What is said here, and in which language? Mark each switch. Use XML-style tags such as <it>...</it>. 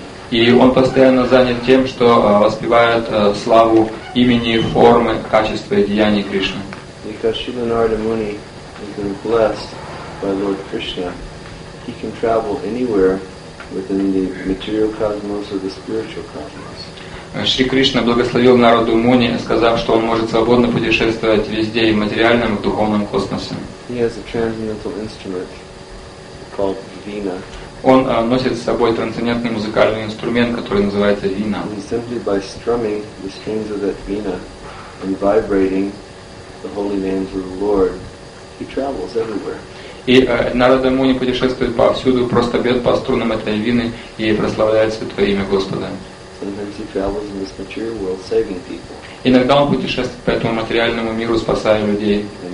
<ru>И он постоянно занят тем, что воспевает славу имени, формы, качества и деяний Кришны.</ru> <en>Because Srila Narada Muni has been blessed by Lord Krishna, he can travel anywhere within the material cosmos or the spiritual cosmos.</en> <ru>Шри Кришна благословил Нараду Муни, сказав, что он может свободно путешествовать везде и в материальном, и в духовном космосе.</ru> <en>He has a transcendental instrument called Veena.</en> <ru>Он носит с собой трансцендентный музыкальный инструмент, который называется вина.</ru> <en>And simply by strumming the strings of that vina and vibrating the holy names of the Lord, he travels everywhere.</en> <ru>И Нарада Муни путешествует повсюду, просто бьет по струнам этой вины и прославляет Святое Имя Господа.</ru> <en>Sometimes he travels in this material world saving people.</en> <ru>Иногда он путешествует по этому материальному миру, спасая людей.</ru>